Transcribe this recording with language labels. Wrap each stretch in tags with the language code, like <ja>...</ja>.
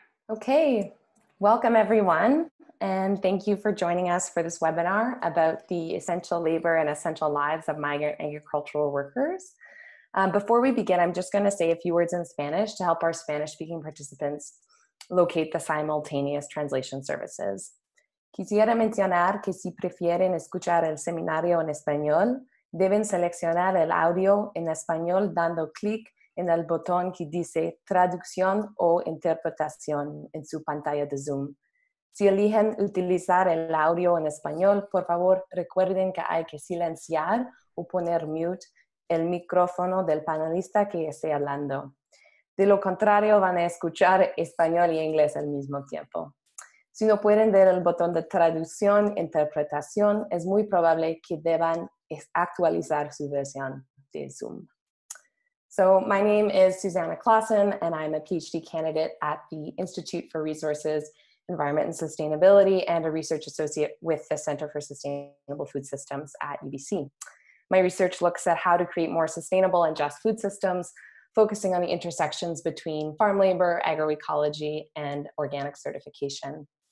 <en>Okay, welcome everyone, and thank you for joining us for this webinar about the essential labor and essential lives of migrant agricultural workers. Before we begin, I'm just going to say a few words in Spanish to help our Spanish-speaking participants locate the simultaneous translation services.</en> <es>Quisiera mencionar que si prefieren escuchar el seminario en español, deben seleccionar el audio en español dando clic en el botón que dice traducción o interpretación en su pantalla de Zoom. Si eligen utilizar el audio en español, por favor recuerden que hay que silenciar o poner mute el micrófono del panelista que esté hablando. De lo contrario, van a escuchar español y inglés al mismo tiempo. Si no pueden ver el botón de traducción, interpretación, es muy probable que deban actualizar su versión de Zoom.</es> <en>So my name is Susanna Claussen, and I'm a PhD candidate at the Institute for Resources, Environment and Sustainability, and a research associate with the Center for Sustainable Food Systems at UBC. My research looks at how to create more sustainable and just food systems, focusing on the intersections between farm labor, agroecology, and organic certification.</en>